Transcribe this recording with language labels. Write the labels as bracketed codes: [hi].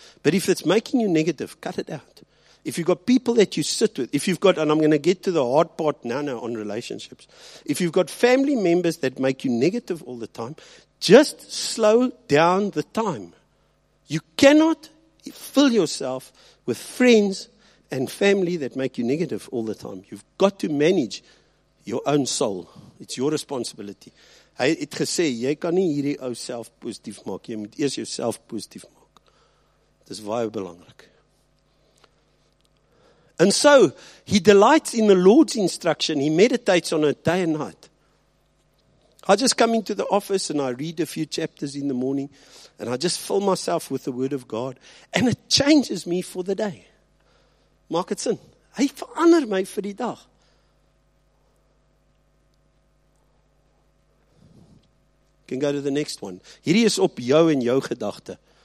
[en] But if it's making you negative, cut it out. If you've got people that you sit with, if you've got, and I'm going to get to the hard part now on relationships. If you've got family members that make you negative all the time, just slow down the time. You cannot fill yourself with friends and family that make you negative all the time. You've got to manage your own soul. It's your responsibility. [af] Hy het gesê, jy kan nie hierdie ou self positief maak, jy moet eers jouself positief maak. Dis baie belangrik. [en] And so, he delights in the Lord's instruction, he meditates on it day and night. I just come into the office and I read a few chapters in the morning, and I just fill myself with the word of God, and it changes me for the day. [af] Maak het sin. Hy verander my vir die dag. [en] Can go to the next one. [af] Hierdie is op jou en jou gedagte.